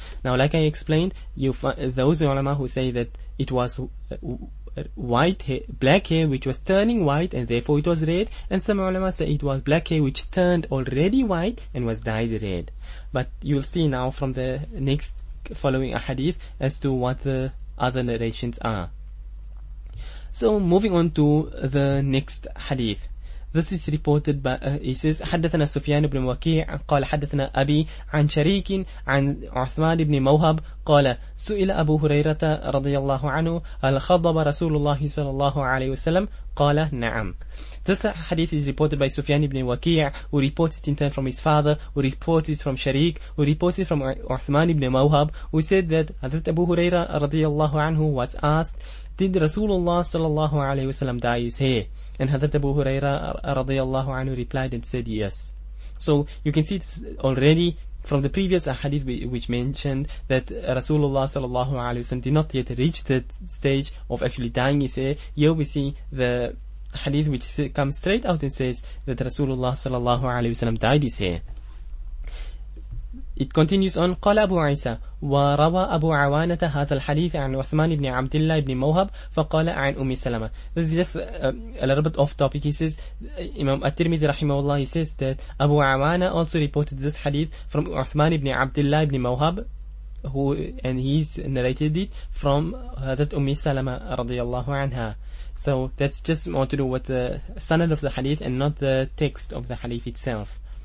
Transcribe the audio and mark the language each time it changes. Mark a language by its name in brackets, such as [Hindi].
[English] Now, like I explained, those ulama who say that it was black hair which was turning white and therefore it was red, and some ulama say it was black hair which turned already white and was dyed red. But you will see now from the next following hadith as to what the other narrations are. So moving on to the next hadith. This is reported by, he says, [Arabic] حدثنا سفيان بن وكيع قال حدثنا أبي عن شريك عن عثمان بن موهب قال سئل أبو هريرة رضي الله عنه هل خضب رسول الله صلى الله عليه وسلم قال نعم. [English] This hadith is reported by Sufyan ibn Waqi', who reports it in turn from his father, who reports it from Shariq, who reports it from Uthman ibn Mawhab, who said that Hazrat Abu Huraira radiyallahu anhu was asked, did Rasulullah sallallahu alayhi wasallam dye his hair? And Hazrat Abu Huraira radiyallahu anhu replied and said yes. So you can see this already from the previous hadith which mentioned that Rasulullah sallallahu alayhi wasallam did not yet reach that stage of actually dyeing his hair. Here we see the hadith which comes straight out and says that Rasulullah sallallahu alayhi wasallam dyed his hair. It continues on, [Arabic] قال أبو عيسى وروى أبو عوانة هذا الحديث عن عثمان بن عبد الله بن موهب فقال عن أم سلمة. [English] This is just a little bit off topic. He says, Imam At-Tirmidhi rahimahullah, he says that Abu Awana also reported this hadith from Uthman ibn Abdullah ibn Mawhab, and he's narrated it from Hazrat Ummi Salama radiyallahu anha. So that's just more to do with the sanad of the hadith and not the text of the hadith itself.